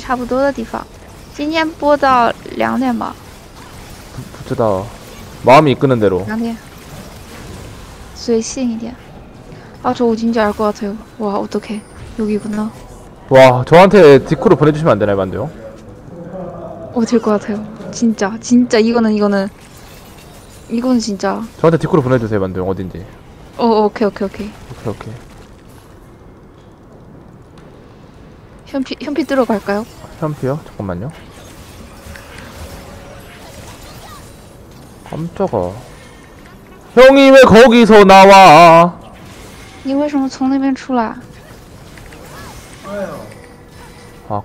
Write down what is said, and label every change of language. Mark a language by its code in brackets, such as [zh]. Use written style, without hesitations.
[zh] 原来和我住在差不多的地方今天播到两点吧不知道 [ko] 마음이 이끄는 대로 [zh] 两点随性一点啊这我已经觉得过了哇 [ko] 어떡해 여기구나 와 저한테 디코로 보내주시면 안 되나요 반대요? 어 될 것 같아요 진짜 이거는 이건 진짜 저한테 디코로 보내주세요 만두 형 어딘지. 오 오케이 현피 들어갈까요? 현피요? 잠깐만요. 깜짝아 형이 왜 거기서 나와? [zh] 你为什么从那边出来？아